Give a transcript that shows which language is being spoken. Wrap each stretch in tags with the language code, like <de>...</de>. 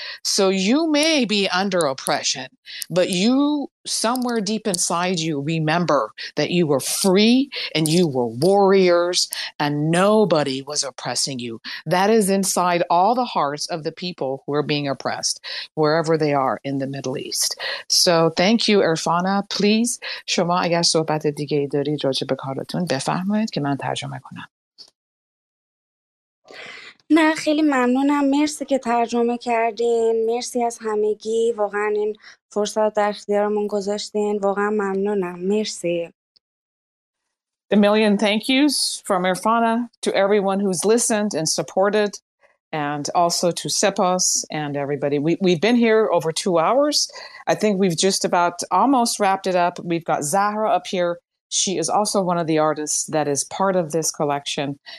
<en>So you may be under oppression, but you somewhere deep inside you remember that you were free and you were warriors and nobody was oppressing you. That is inside all the hearts of the people who are being oppressed, wherever they are in the Middle East. So thank you, Irfana. Please,</en> <fa>شما اگر صحبت دیگه دارید راجع به کارتون بفرمایید که من ترجمه کنم. نه خیلی ممنونم، مرسی که ترجمه کردین، مرسی از همگی، واقعا این فرصت در اختیارمون گذاشتین، واقعا ممنونم، مرسی.</fa> <en>A million thank yous from Irfana to everyone who's listened and supported, and also to Sepos and everybody. We've been here over 2 hours. I think we've just about almost wrapped it up. We've got Zahra up here. She is also one of the artists that is part of this collection.</en>